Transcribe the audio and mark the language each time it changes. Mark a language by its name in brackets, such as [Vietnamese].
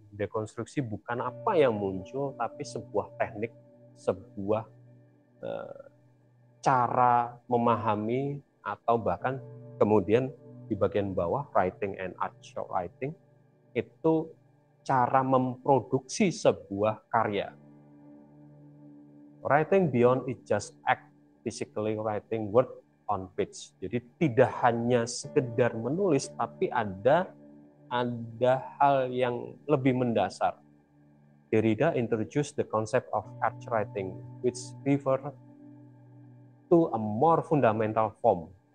[Indonesian] Dekonstruksi bukan apa yang muncul, tapi sebuah teknik, sebuah cara memahami, atau bahkan kemudian di bagian bawah [English] writing and art show writing [Indonesian] itu cara memproduksi sebuah karya. [English] Writing beyond it just act physically writing word on page. [Indonesian] Jadi tidak hanya sekedar menulis, tapi ada hal yang lebih mendasar. [English] Derrida introduced the concept of art writing, which refer to a more fundamental form.